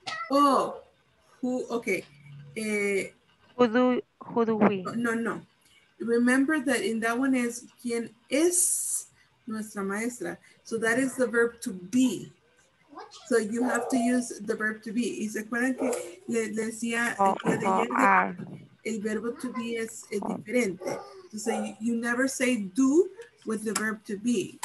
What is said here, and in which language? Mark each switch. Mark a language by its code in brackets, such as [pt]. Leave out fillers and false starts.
[en] Oh, who, okay. Who do we? No. Remember that in that one is, [es] ¿quién es nuestra maestra? [en] So that is the verb to be. So you have to use the verb to be. [es] Y se acuerdan que le decía el verbo to be es diferente. [en] So you never say do with the verb to be.